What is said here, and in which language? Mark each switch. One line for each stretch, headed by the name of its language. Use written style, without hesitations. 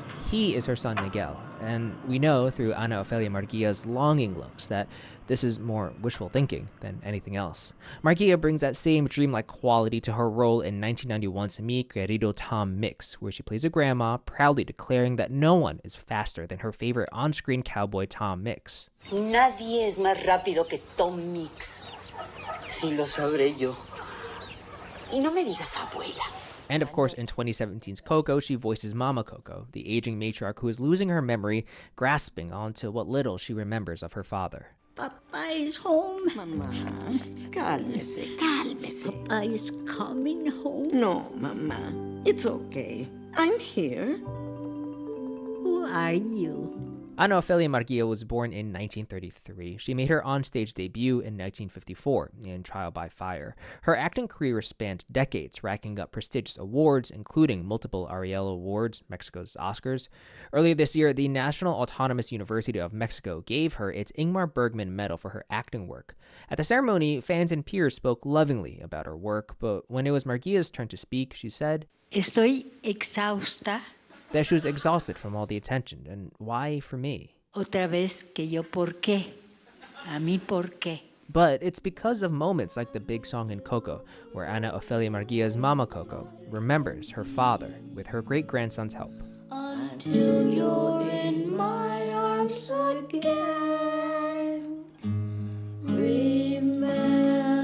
English: He is her son Miguel, and we know through Ana Ofelia Marguilla's longing looks that this is more wishful thinking than anything else. Marguilla brings that same dreamlike quality to her role in 1991's Mi Querido Tom Mix, where she plays a grandma proudly declaring that no one is faster than her favorite on-screen cowboy Tom Mix.
Spanish: Nadie es más rápido que Tom Mix, si lo sabré yo. Y no me digas abuela.
English: And of course, in 2017's Coco, she voices Mama Coco, the aging matriarch who is losing her memory, grasping onto what little she remembers of her father. Papa is home.
Spanish: Mama, cálmese, cálmese.
English: Papa is coming home. No, Mama, it's okay. I'm here. Who are you? Ana Ofelia Murguia was born in 1933. She made her onstage debut in 1954 in Trial by Fire. Her acting career spanned decades, racking up prestigious awards, including multiple Ariel Awards, Mexico's Oscars. Earlier this year, the National Autonomous University of Mexico gave her its Ingmar Bergman Medal for her acting work. At the ceremony, fans and peers spoke lovingly about her work, but when it was Murguia's turn to speak, she said,
Spanish: Estoy exhausta.
English: That she was exhausted from all the attention, and why for me?
Spanish: Otra vez que yo por qué, a mí por qué.
English: But it's because of moments like the big song in Coco, where Ana Ofelia Murguia's Mama Coco remembers her father with her great-grandson's help. Until you're in my arms again, remember.